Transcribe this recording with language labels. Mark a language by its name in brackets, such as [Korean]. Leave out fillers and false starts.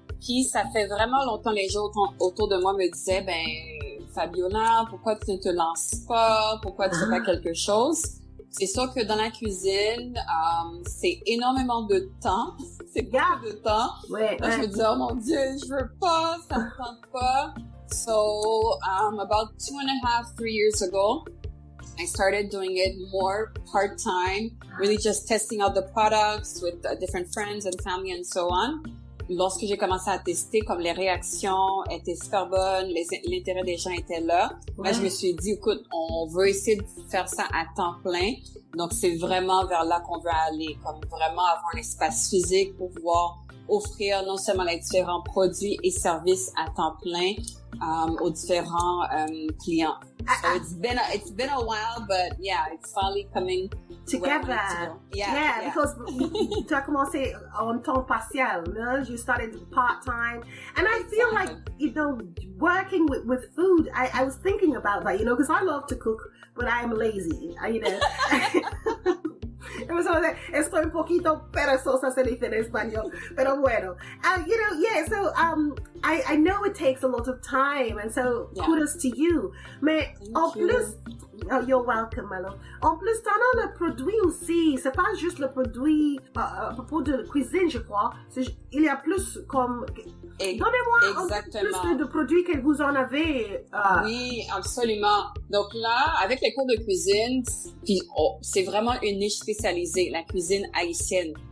[French] Puis ça fait vraiment longtemps les gens autour de moi me disaient, ben Fabiola, pourquoi tu ne te lances pas? Pourquoi tu fais pas quelque chose? C'est sûr que dans la cuisine, c'est énormément de temps. C'est beaucoup de temps. Ouais. Je me dis, oh mon Dieu, je veux pas, ça me tente pas. [English] So, about 2.5-3 years ago, I started doing it more part-time, really just testing out the products with different friends and family and so on. [French] Lorsque j'ai commencé à tester, comme les réactions étaient super bonnes, l'intérêt des gens était là, ouais, je me suis dit, écoute, on veut essayer de faire ça à temps plein. Donc, c'est vraiment vers là qu'on veut aller, comme vraiment avoir un espace physique pour pouvoir offrir non seulement les différents produits et services à temps plein aux différents clients. [English] So it's been a while, but yeah, it's finally coming together. Yeah, because [French] tu as commencé en temps partiel, no? [English] You started part time, and I feel like, you know, working with food. I was thinking about that, you know, because I love to cook, but I'm lazy. You know. [Spanish] Estoy un poquito perezosa, se dice en español, pero bueno. [English] You know, yeah, so I know it takes a lot of time, and so yeah, kudos to you. [French] Mais [English] thank [French] en [English] you. Plus, oh, you're welcome, my love. [French] En plus, t'en as le produit aussi, c'est pas juste le produit à propos de cuisine, je crois. Il y a plus comme... Donnez-moi exactement un peu plus de produits que vous en avez. Oui, absolument. Donc là, avec les cours de cuisine, puis, oh, c'est vraiment une niche spécialisée, la cuisine haïtienne.